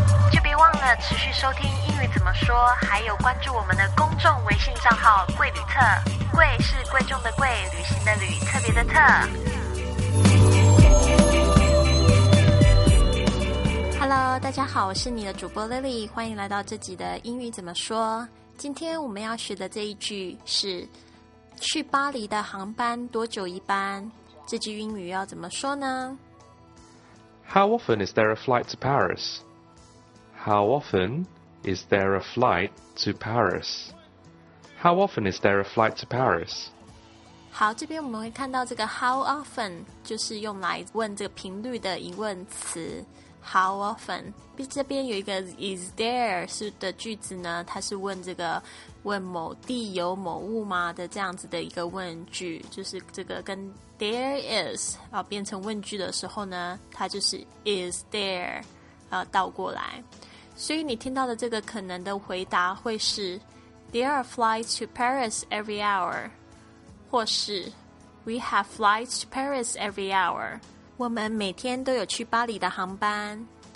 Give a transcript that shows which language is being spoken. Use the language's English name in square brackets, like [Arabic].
[Chinese] 就别忘了持续收听英语怎么说，还有关注我们的公众微信账号贵旅特，贵是贵重的贵，旅行的旅，特别的特。 Hello， 大家好，我是你的主播 Lily， 欢迎来到这集的英语怎么说。今天我们要学的这一句是去巴黎的航班多久一班，这句英语要怎么说呢？ [English] How often is there a flight to Paris? How often is there a flight to Paris? How often is there a flight to Paris? [Chinese] 好，这边我们会看到这个 how often 就是用来问这个频率的疑问词。How often? 这边有一个 is there 是的句子呢，它是问这个问某地有某物吗的这样子的一个问句，就是这个跟 there is、变成问句的时候呢，它就是 is there、倒过来，所以你听到的这个可能的回答会是 [English] There are flights to Paris every hour， [Chinese] 或是 [English] We have flights to Paris every hour， [Chinese] 我们每天都有去巴黎的航班。